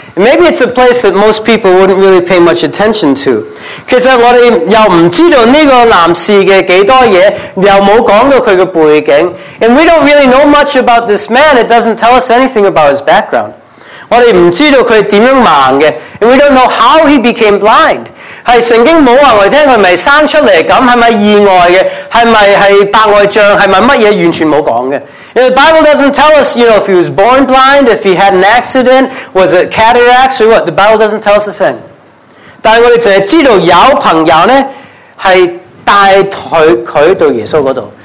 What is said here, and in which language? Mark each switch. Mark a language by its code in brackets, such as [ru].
[en] Maybe it's a place that most people wouldn't really pay much attention to. [yue] 其实我们又不知道这个男士的几多东西，又没讲到他的背景。 [en] And we don't really know much about this man. It doesn't tell us anything about his background. [yue] 我们不知道他是怎样盲的。 [en] And we don't know how he became blind. [yue] 是圣经没告诉我们他是不是生出来的，是不是意外的，是不是白外障，是不是什么，完全没讲的。 [en] The Bible doesn't tell us, you know, if he was born blind, if he had an accident, was it cataracts or what? The Bible doesn't tell us a thing. [yue] 但我们只知道有朋友呢，是带他到耶稣那里。